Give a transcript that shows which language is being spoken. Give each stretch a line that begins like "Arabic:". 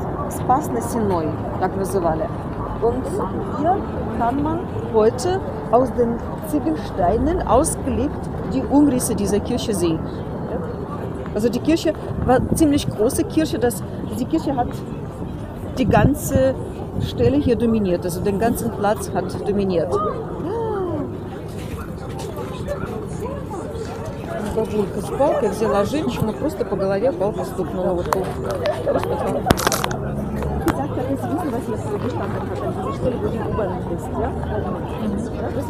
Russian: Спас Насиной, так называли.
German: Und hier kann man heute aus den Ziegelsteinen ausgelegt die Umrisse dieser Kirche sehen. Also die Kirche war eine ziemlich große Kirche. Die Kirche hat die ganze Stelle hier dominiert, also den ganzen Platz hat dominiert.
Russian: Бабулька с палкой взяла женщину, просто по голове палкой стукнула. Вот так. Просто так. Итак, как я сегодня вас я сегодня штанг показываю, что ли, будем убавить здесь, да?